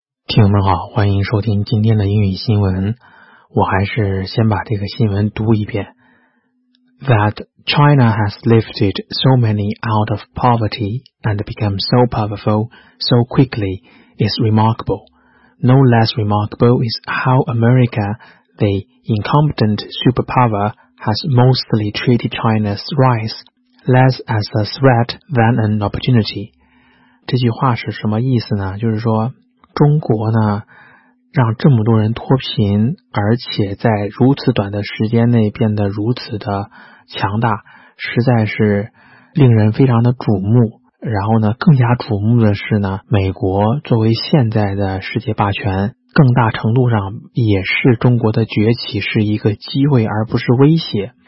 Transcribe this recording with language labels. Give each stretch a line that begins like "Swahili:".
Chinese: 听众们好，欢迎收听今天的英语新闻。我还是先把这个新闻读一遍。
English: That China has lifted so many out of poverty and become so powerful so quickly is remarkable. No less remarkable is how America, the incompetent superpower, has mostly treated China's rise less as a threat than an opportunity.
Chinese: 这句话是什么意思呢？就是说中国呢让这么多人脱贫，而且在如此短的时间内变得如此的强大，实在是令人非常的瞩目。然后呢，更加瞩目的是呢，美国作为现在的世界霸权，更大程度上也是中国的崛起是一个机会而不是威胁。